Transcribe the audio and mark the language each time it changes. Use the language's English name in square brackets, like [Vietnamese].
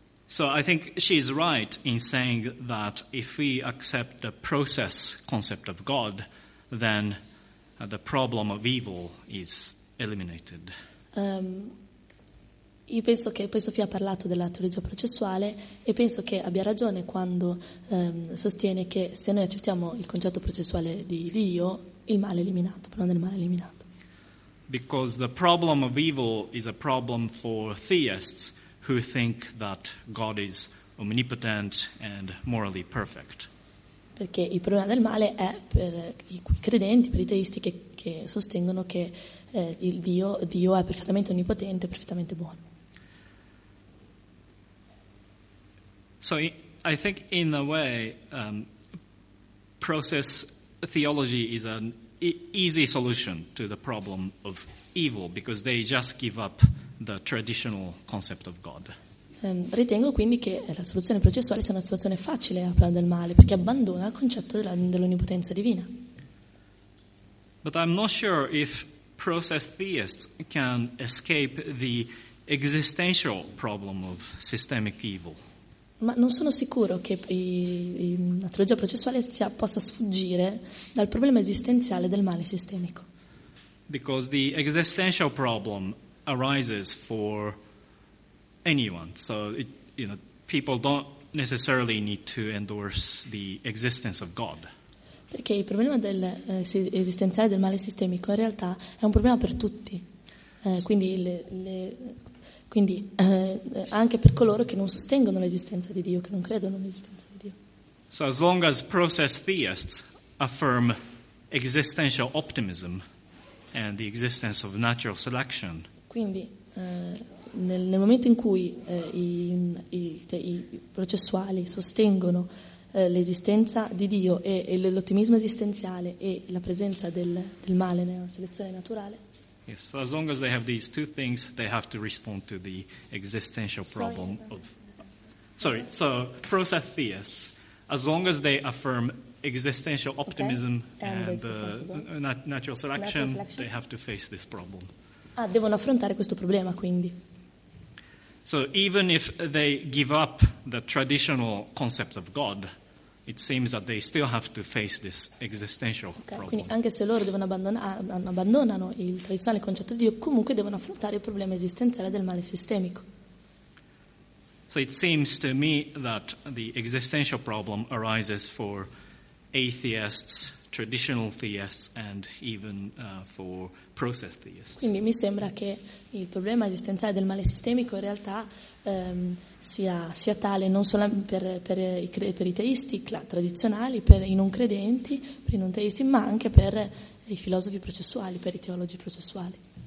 [English] So I think she's right in saying that if we accept the process concept of God, then the problem of evil is eliminated. [Italian] Io penso che poi Sofia ha parlato della teologia processuale e penso che abbia ragione quando sostiene che se noi accettiamo il concetto processuale di Dio, il male è eliminato, però non il male è eliminato. [English] Because the problem of evil is a problem for theists who think that God is omnipotent and morally perfect. [Italian] Perché il problema del male è per i credenti, per i teisti che sostengono che Dio è perfettamente onnipotente, perfettamente buono. [English] So I think in a way process theology is an easy solution to the problem of evil because they just give up the traditional concept of God. [Italian] Ritengo quindi che la soluzione processuale sia una soluzione facile al problema del male perché abbandona il concetto dell'onnipotenza divina. [English] But I'm not sure if process theists can escape the existential problem of systemic evil. [Italian] Ma non sono sicuro che la teologia processuale possa sfuggire dal problema esistenziale del male sistemico. [English] Because the existential problem arises for anyone, so it, you know, people don't necessarily need to endorse the existence of God. [Italian] Perché il problema del esistenziale del male sistemico in realtà è un problema per tutti. Quindi Quindi anche per coloro che non sostengono l'esistenza di Dio, che non credono nell'esistenza di Dio. [English] So as long as process theists affirm existential optimism and the existence of natural selection. [Italian] Quindi nel momento in cui i processuali sostengono l'esistenza di Dio e l'ottimismo esistenziale e la presenza del male nella selezione naturale. [English] Yes, so as long as they have these two things, they have to respond to the existential problem So process theists, as long as they affirm existential optimism natural selection, they have to face this problem. [Italian] Ah, devono affrontare questo problema, quindi. [English] So even if they give up the traditional concept of God, it seems that they still have to face this existential problem. [Italian] Quindi anche se loro abbandonano il tradizionale concetto di Dio, comunque devono affrontare il problema esistenziale del male sistemico. [English] So it seems to me that the existential problem arises for atheists, traditional theists, and even for process theists. [Italian] Quindi mi sembra che il problema esistenziale del male sistemico in realtà sia tale non solo per i teisti tradizionali, per i non credenti, per i non teisti, ma anche per i filosofi processuali, per i teologi processuali.